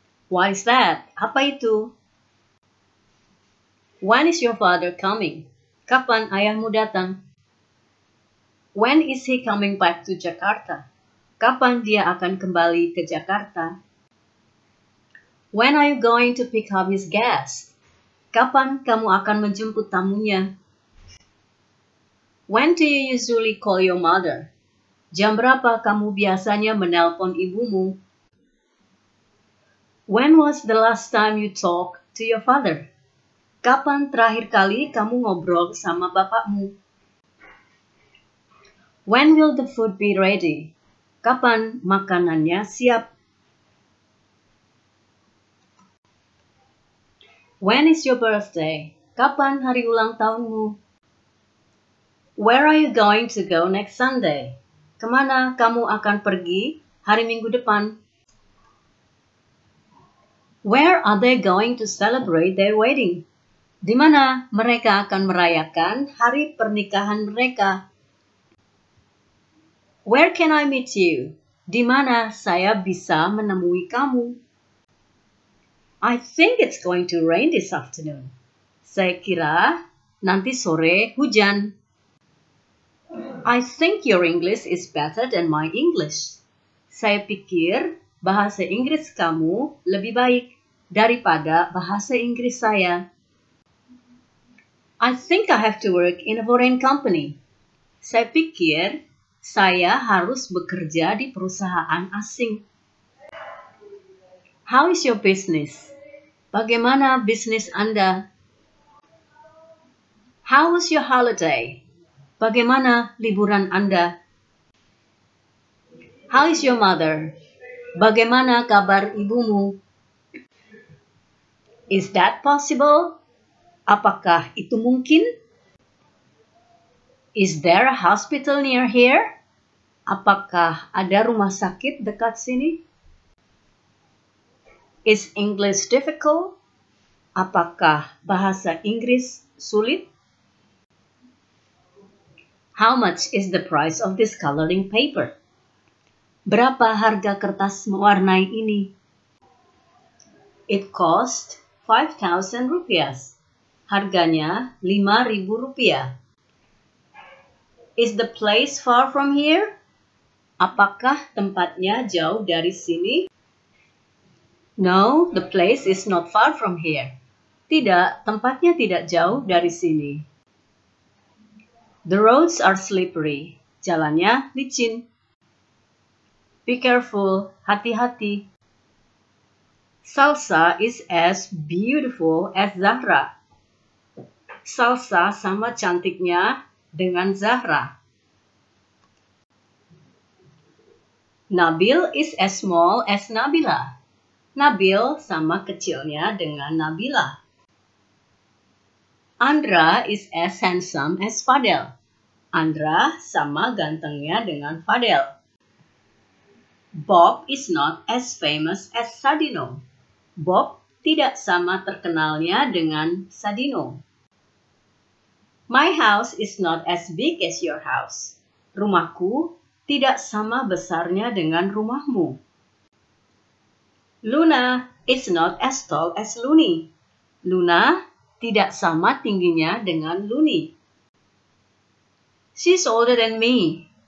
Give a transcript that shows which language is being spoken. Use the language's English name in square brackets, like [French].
[English] What is that? [Indonesian] Apa itu? [English] When is your father coming? [Indonesian] Kapan ayahmu datang? [English] When is he coming back to Jakarta? [Indonesian] Kapan dia akan kembali ke Jakarta? [English] When are you going to pick up his guest? [Indonesian] Kapan kamu akan menjemput tamunya? [English] When do you usually call your mother? [Indonesian] Jam berapa kamu biasanya menelpon ibumu? [English] When was the last time you talk to your father? [Indonesian] Kapan terakhir kali kamu ngobrol sama bapakmu? [English] When will the food be ready? [Indonesian] Kapan makanannya siap? [English] When is your birthday? [Indonesian] Kapan hari ulang tahunmu? [English] Where are you going to go next Sunday? [Indonesian] Kemana kamu akan pergi hari Minggu depan? [English] Where are they going to celebrate their wedding? [Indonesian] Di mana mereka akan merayakan hari pernikahan mereka? [English] Where can I meet you? [Indonesian] Di mana saya bisa menemui kamu? [English] I think it's going to rain this afternoon. [Indonesian] Saya kira nanti sore hujan. [English] I think your English is better than my English. [Indonesian] Saya pikir bahasa Inggris kamu lebih baik daripada bahasa Inggris saya. [English] I think I have to work in a foreign company. [Indonesian] Saya pikir saya harus bekerja di perusahaan asing. [English] How is your business? [Indonesian] Bagaimana bisnis Anda? [English] How was your holiday? [Indonesian] Bagaimana liburan Anda? [English] How is your mother? [Indonesian] Bagaimana kabar ibumu? [English] Is that possible? [Indonesian] Apakah itu mungkin? [English] Is there a hospital near here? [Indonesian] Apakah ada rumah sakit dekat sini? [English] Is English difficult? [Indonesian] Apakah bahasa Inggris sulit? [English] How much is the price of this coloring paper? [Indonesian] Berapa harga kertas mewarnai ini? [English] It cost 5,000 rupiah. [Indonesian] Harganya 5,000 rupiah. [English] Is the place far from here? [Indonesian] Apakah tempatnya jauh dari sini? [English] No, the place is not far from here. [Indonesian] Tidak, tempatnya tidak jauh dari sini. [English] The roads are slippery. [Indonesian] Jalannya licin. [English] Be careful. [Indonesian] Hati-hati. [English] Salsa is as beautiful as Zahra. [Indonesian] Salsa sama cantiknya dengan Zahra. [English] Nabil is as small as Nabila. [Indonesian] Nabil sama kecilnya dengan Nabila. [English] Andra is as handsome as Fadel. [Indonesian] Andra sama gantengnya dengan Fadel. [English] Bob is not as famous as Sadino. [Indonesian] Bob tidak sama terkenalnya dengan Sadino. [English] My house is not as big as your house. [Indonesian] Rumahku tidak sama besarnya dengan rumahmu. [English] Luna is not as tall as Luni. [Indonesian] Luna tidak sama tingginya dengan Luni. [English] She's older than me.